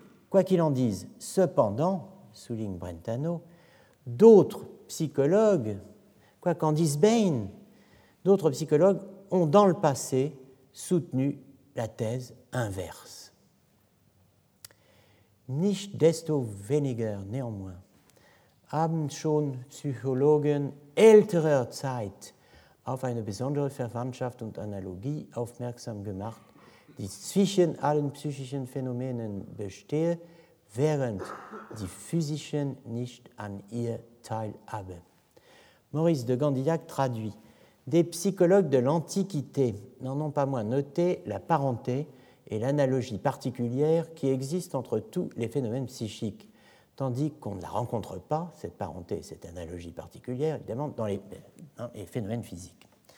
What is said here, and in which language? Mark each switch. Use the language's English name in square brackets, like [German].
[French] Quoi qu'il en dise, cependant, souligne Brentano, d'autres psychologues, quoi qu'en dise Bain, d'autres psychologues ont dans le passé soutenu la thèse inverse. [German] Nicht desto weniger, néanmoins, haben schon Psychologen älterer Zeit auf eine besondere Verwandtschaft und Analogie aufmerksam gemacht, die zwischen allen psychischen Phänomenen bestehe, während die physischen nicht an ihr teilhabe. [French] Maurice de Gandillac traduit. Des psychologues de l'Antiquité n'en ont pas moins noté la parenté et l'analogie particulière qui existent entre tous les phénomènes psychiques, tandis qu'on ne la rencontre pas, cette parenté et cette analogie particulière, évidemment, dans les phénomènes physiques.